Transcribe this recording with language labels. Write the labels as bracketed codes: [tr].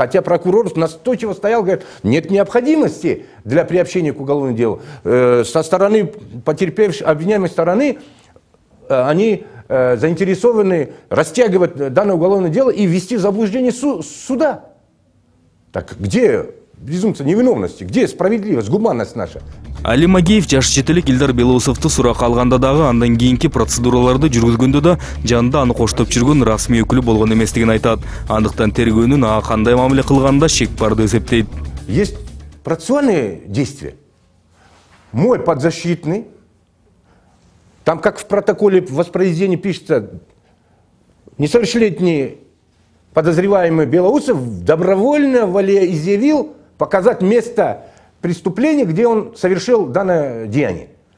[ru] Хотя прокурор настойчиво стоял, говорит, нет необходимости для приобщения к уголовному делу. Со стороны потерпевшей, обвиняемой стороны, они заинтересованы растягивать данное уголовное дело и ввести в заблуждение суда. Так где безумца невиновности, где справедливость, гуманность наша? [ky] Али Магеев жаш жетелек Элдар Белоусовду сурак алганда дагы андан кийинки процедураларды жүргүзгөндө да жанында аны коштоп жүргөн расмий өкүлү болгон эместигин айтат. Андыктан тергөөнүн ага кандай мамиле кылганда шек бар деп эсептейт. [ru] Есть процессуальные действия. Мой подзащитный, там как в протоколе воспроизведения пишется, несовершеннолетний подозреваемый Белоусов добровольно волеизъявил показать место преступление, где он совершил данное деяние.